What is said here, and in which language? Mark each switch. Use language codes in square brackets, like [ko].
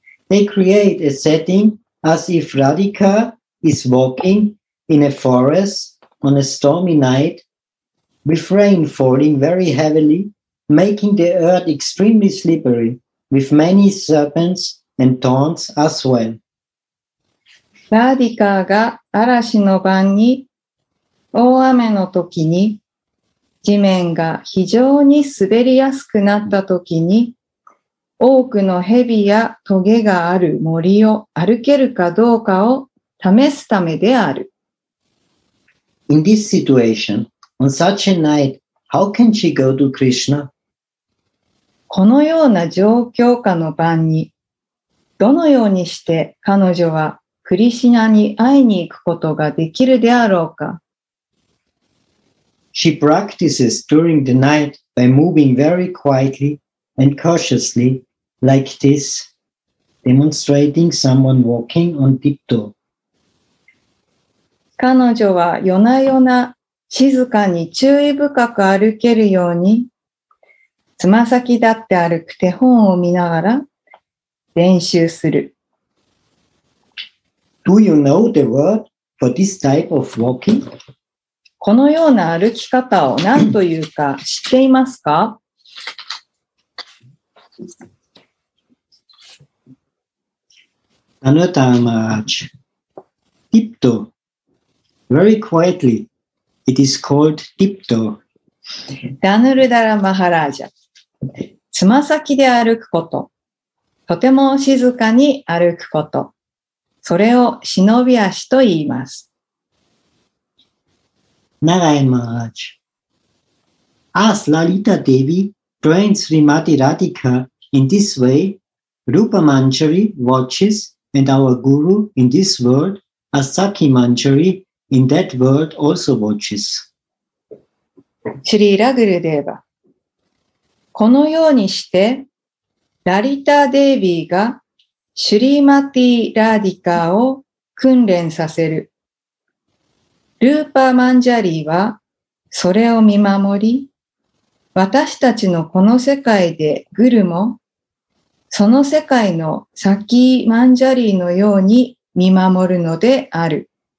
[en] They create a setting as if Radhika. Is walking in a forest on a stormy night, with rain falling very heavily, making the earth extremely slippery, with many serpents and thorns as well. [ja] ラディカーが嵐の晩に、大雨の時に、地面が非常に滑りやすくなった時に、多くの蛇やトゲがある森を歩けるかどうかを試すためである。 [en] In this situation, on such a night, how can she go to Krishna? [ja] このような状況下の晩に、どのようにして彼女はクリシナに会いに行くことができるであろうか? [en] She practices during the night by moving very quietly and cautiously like this, demonstrating someone walking on tiptoe. [ja] 彼女は夜な夜な静かに注意深く歩けるようにつま先立って歩く手本を見ながら練習する。 [en] Do you know the word for this type of walking? [ja] このような歩き方を何というか知っていますか? [en] Anatamaj. Tipto. Very quietly, it is called tiptoe. [ja] ダヌルダラ・マハラージャ。つま先で歩くこと。とても静かに歩くこと。それを忍び足と言います。ナガイ・マハラージャ。 [en] As Lalita Devi trains Srimati Radhika in this way, Rupa Manjari watches and our guru in this world, Asaki Manjari,In that world also watches. [ja] シリー・ラグルデーバ。このようにして、ラリタ・デイビーがシュリーマティ・ラーディカーを訓練させる。ルーパー・マンジャリーはそれを見守り、私たちのこの世界でグルも、その世界のサキー・マンジャリーのように見守るのである。